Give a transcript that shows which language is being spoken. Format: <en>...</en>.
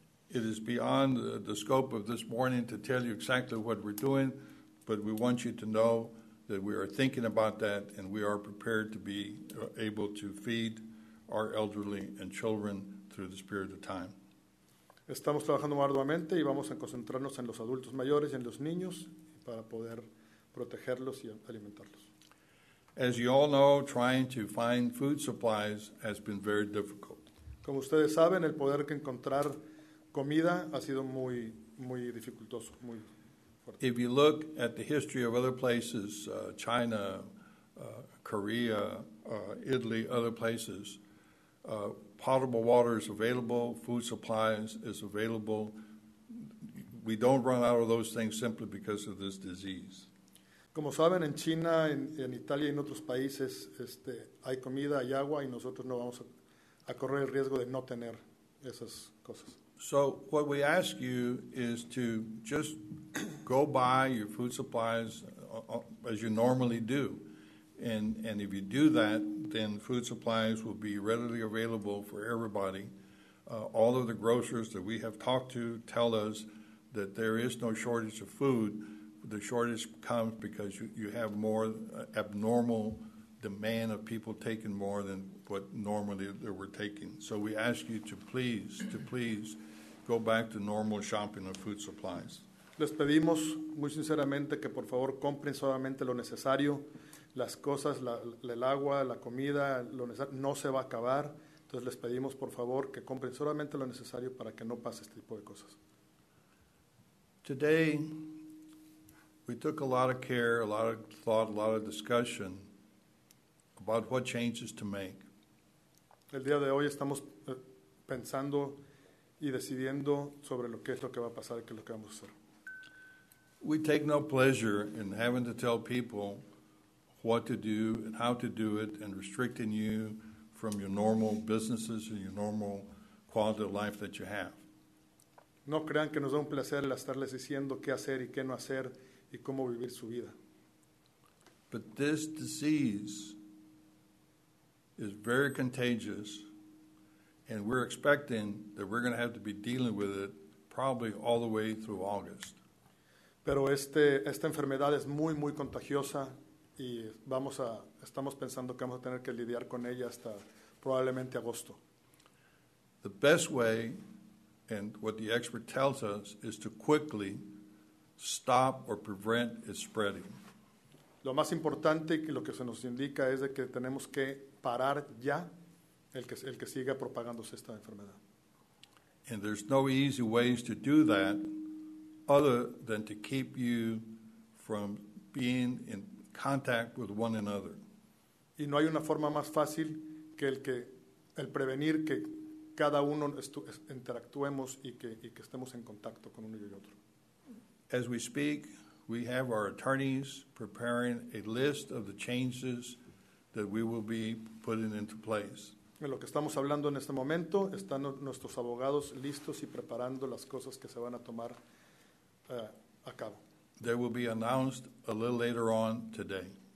<en>It is beyond the scope of this morning to tell you exactly what we're doing, but we want you to know that we are thinking about that, and we are prepared to be able to feed our elderly and children through this period of time.</en> <es>Estamos trabajando arduamente y vamos a concentrarnos en los adultos mayores y en los niños para poder protegerlos y alimentarlos.</es> <en>As you all know, trying to find food supplies has been very difficult.</en> <es>Como ustedes saben, el poder que encontrar comida ha sido muy, muy dificultoso, muy fuerte.</es> <en>If you look at the history of other places, China, Korea, Italy, other places, potable water is available, food supplies is available. We don't run out of those things simply because of this disease.</en> <es>Como saben, en China, en Italia y en otros países, hay comida, hay agua, y nosotros no vamos a correr el riesgo de no tener esas cosas.</es> <en>So what we ask you is to just go buy your food supplies as you normally do. And if you do that, then food supplies will be readily available for everybody. All of the grocers that we have talked to tell us that there is no shortage of food. The shortage comes because you have more abnormal demand of people taking more than what normally they were taking. So we ask you to please go back to normal shopping of food supplies.</en> <es>Les pedimos muy sinceramente que por favor compren solamente lo necesario, las cosas, el agua, la comida, lo necesario, no se va a acabar. Entonces les pedimos por favor que compren solamente lo necesario para que no pase este tipo de cosas.</es> <en>Today, we took a lot of care, a lot of thought, a lot of discussion about what changes to make.</en> <es>El día de hoy estamos pensando y decidiendo sobre lo que es lo que va a pasar y qué es lo que vamos a hacer.</es> <en>We take no pleasure in having to tell people what to do and how to do it and restricting you from your normal businesses and your normal quality of life that you have.</en> <es>No crean que nos da un placer el estarles diciendo qué hacer y qué no hacer. Y cómo vivir su vida.</es> <en>But this disease is very contagious, and we're expecting that we're going to have to be dealing with it probably all the way through August.</en> <es>Pero esta enfermedad es muy, muy contagiosa, y estamos pensando que vamos a tener que lidiar con ella hasta probablemente agosto.</es> <en>The best way, and what the expert tells us, is to quickly stop or prevent its spreading.</en> <es>Lo más importante que lo que se nos indica es de que tenemos que parar ya el que siga propagándose esta enfermedad.</es> <en>And there's no easy ways to do that other than to keep you from being in contact with one another.</en> <es>Y no hay una forma más fácil que el prevenir que cada uno interactuemos y que estemos en contacto con uno y otro.</es> <en>As we speak, we have our attorneys preparing a list of the changes that we will be putting into place.</en> <es>En lo que estamos hablando en este momento, están nuestros abogados listos y preparando las cosas que se van a tomar a cabo.</es> <en>They will be announced a little later on today.</en>